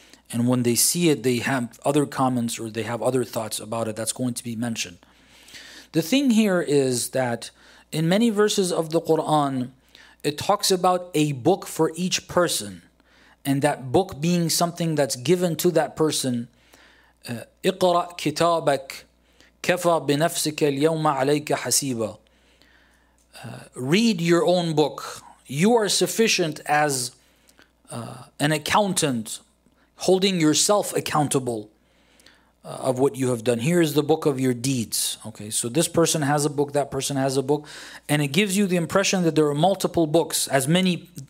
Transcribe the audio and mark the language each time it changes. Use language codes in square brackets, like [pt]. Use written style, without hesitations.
[en] And when they see it, they have other comments or they have other thoughts about it. That's going to be mentioned. The thing here is that in many verses of the Quran, it talks about a book for each person. And that book being something that's given to that person. [ar] اقرأ كتابك كفى بنفسك اليوم عليك حسيبا. [en] Read your own book. You are sufficient as an accountant, holding yourself accountable of what you have done. Here is the book of your deeds. Okay, so this person has a book, that person has a book, and it gives you the impression that there are multiple books, as many